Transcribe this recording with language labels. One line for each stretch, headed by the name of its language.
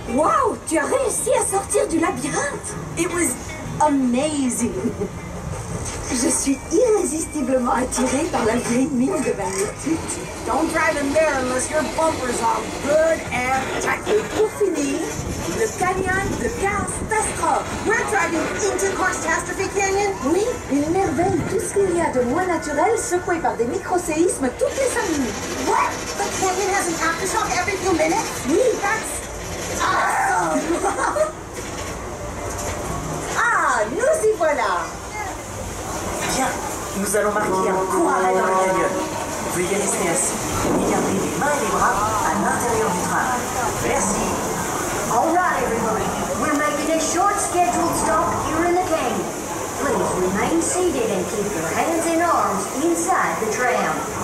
French: Wow, tu as réussi à sortir du labyrinthe.
English: It was amazing.
French: Je suis irrésistiblement attirée par la vieille mine de magnétite.
English: Don't drive in there unless your bumpers are good and tight.
French: Et pour finir, le canyon de Castastro.
English: We're driving into Castastrophe Canyon?
French: Oui, une merveille, tout ce qu'il y a de moins naturel secoué par des micro-séismes toutes les 5 minutes.
English: What? The canyon has an aftershock every few minutes?
French: Oui.
English: That's awesome!
French: Ah, nous y voilà! Bien, nous allons marquer un court arrêt dans le canyon. Veuillez rester assis et garder les mains et les bras à l'intérieur du train. Merci.
English: All right, everybody. We're making a short scheduled stop here in the canyon. Please remain seated and keep your hands and arms inside the tram.